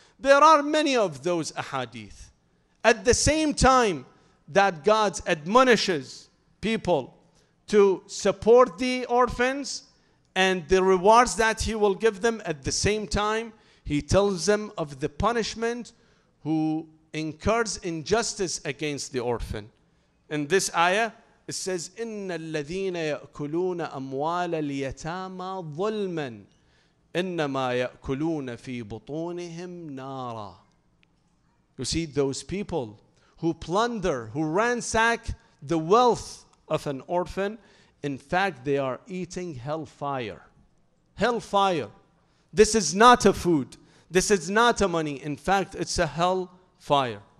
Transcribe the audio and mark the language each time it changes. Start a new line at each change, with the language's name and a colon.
English: There are many of those ahadith. At the same time that God admonishes people to support the orphans and the rewards that he will give them, at the same time he tells them of the punishment who incurs injustice against the orphan. In this ayah, it says,
Arabic: إِنَّ الَّذِينَ يَأْكُلُونَ أَمْوَالَ الْيَتَامَى ظُلْمًا إِنَّمَا يَأْكُلُونَ فِي بُطُونِهِمْ نَارًا.
English: You see, those people who plunder, who ransack the wealth of an orphan, in fact, they are eating hellfire. Hellfire. This is not a food. This is not a money. In fact, it's a hellfire.